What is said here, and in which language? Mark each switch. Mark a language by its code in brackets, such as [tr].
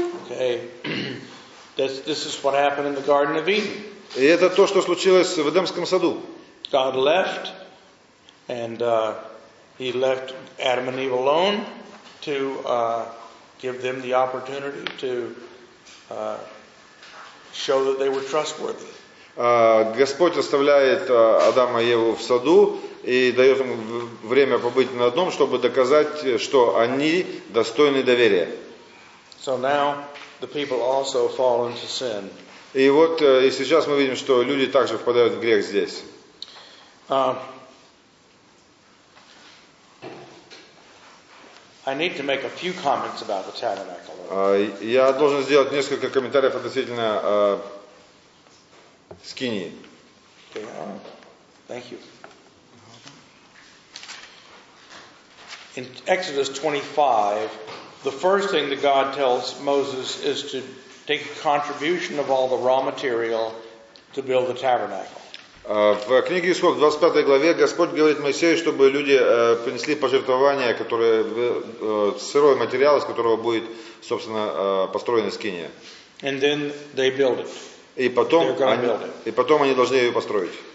[en] Okay. This is what happened in the Garden of Eden. [ru] И это то, что случилось в Эдемском саду. [en] God left and he left Adam and Eve alone to give them the opportunity to show that they were trustworthy. [ru] Господь оставляет Адама и Еву в саду и дает им время побыть на одном, чтобы доказать, что они достойны доверия. [en] So now the people also fall into sin. [ru] И вот и сейчас мы видим, что люди также впадают в грех здесь. [en] I need to make a few comments about the tabernacle. [ru] Я должен сделать несколько комментариев относительно скинии. [en] Okay. Thank you. In Exodus 25, the first thing that God tells Moses is to take a contribution of all the raw material to build the tabernacle. [ru] В книге Исход, в 25 главе, Господь говорит Моисею, чтобы люди принесли пожертвование, которое сырой материал, из которого будет, собственно, построена скиния. [en] And then they build it. [ru] И потом, и потом они должны ее построить.